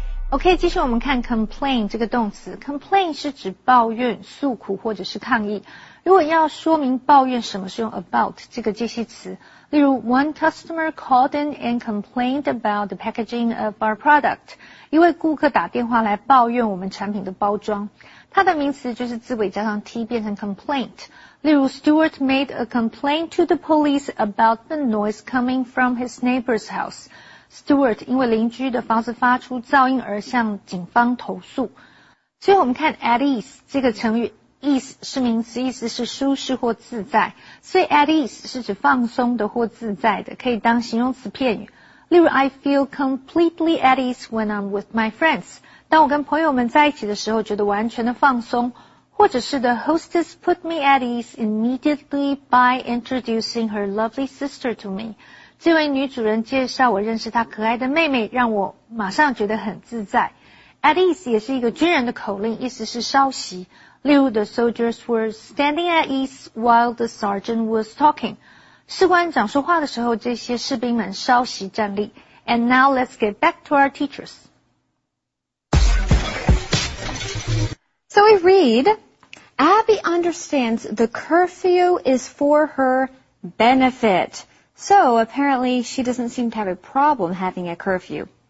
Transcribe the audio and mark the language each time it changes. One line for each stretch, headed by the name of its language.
Chinese: OK, 继续我们看 complain 这个动词。complain 是指抱怨、诉苦或者是抗议。如果要说明抱怨什么，是用 about 这个介系词。
English: 例如 ,one customer called in and complained about the packaging of our product.
Chinese: 一位顾客打电话来抱怨我们产品的包装。它的名词就是字尾加上 t 变成 complaint。
English: 例如 ,Stuart made a complaint to the police about the noise coming from his neighbor's house.
Chinese: Stuart 因为邻居的房子发出噪音而向警方投诉。最后我们看 at ease 这个成语， ease 是名词，意思是舒适或自在，所以 at ease 是指放松的或自在的，可以当形容词片语。例如 I feel completely at ease when I'm with my friends，当我跟朋友们在一起的时候觉得完全的放松，或者是 the hostess put me at ease immediately by introducing her lovely sister to me，这位女主人介绍我认识她可爱的妹妹，让我马上觉得很自在。 At ease 也是一个军人的口令，意思是稍息。
English: 例如 ,the soldiers were standing at ease while the sergeant was talking.
Chinese: 士官长说话的时候，这些士兵们稍息站立。
English: And now let's get back to our teachers. So we read, Abby understands the curfew is for her benefit. So apparently she doesn't seem to have a problem having a curfew.